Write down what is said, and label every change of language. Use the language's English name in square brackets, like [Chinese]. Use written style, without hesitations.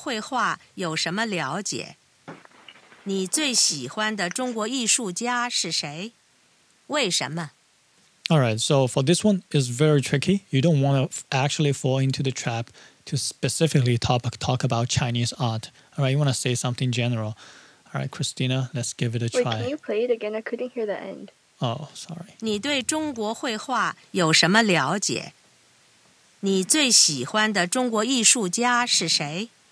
[Chinese] 你对中国绘画有什么了解?你最喜欢的中国艺术家是谁? 为什么? [English] All right, so for this one, it's very tricky. You don't want to actually fall into the trap to specifically talk about Chinese art. All right, you want to say something general. All right, Christina, let's give it a try. Wait, can you play it again? I couldn't hear the end. Oh, sorry. [Chinese] 你对中国绘画有什么了解?你最喜欢的中国艺术家是谁?